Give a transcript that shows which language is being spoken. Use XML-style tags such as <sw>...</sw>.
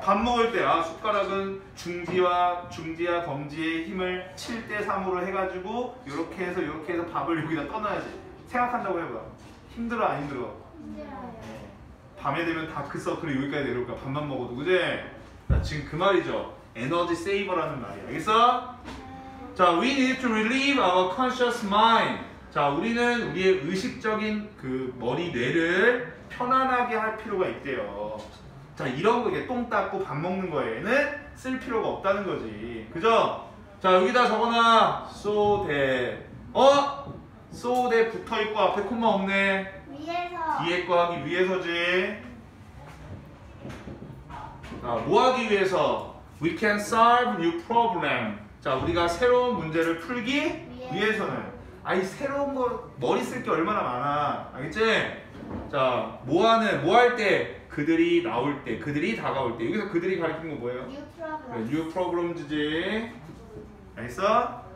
<ko>밥 먹을 때, 아, 숟가락은 중지와 검지의 힘을 7대 3으로 해가지고 이렇게 해서 밥을 여기다 떠놔야지 생각한다고 해봐. 힘들어 안 힘들어? 힘들어요. 밤에 되면 다크서클이 여기까지 내려올 거야. 밥만 먹어도. 그제? 나 지금 그 말이죠. 에너지 세이버라는 말이야. 알겠어?</ko> <en>자, we need to relieve our conscious mind.</en> <ko>자, 우리는 우리의 의식적인 그 머리 뇌를 편안하게 할 필요가 있대요. 자, 이런 거, 이게 똥 닦고 밥 먹는 거에는 쓸 필요가 없다는 거지. 그죠? 자, 여기다 적어놔. so that. 어? so that 붙어 있고 앞에 콤마 없네. 위에서. 뒤에 거 하기 위해서지. 자, 뭐 하기 위해서?</ko> <en>we can solve new problem.</en> <ko>자, 우리가 새로운 문제를 풀기 위해서는. 아니, 새로운 거 머리 쓸 게 얼마나 많아. 알겠지? 자, 뭐 할 때? 그들이 나올 때, 그들이 다가올 때. 여기서 그들이 가리키는 거 뭐예요?</ko> <en>New problems.</en> <ko>네, new problems지. 알겠어?</ko>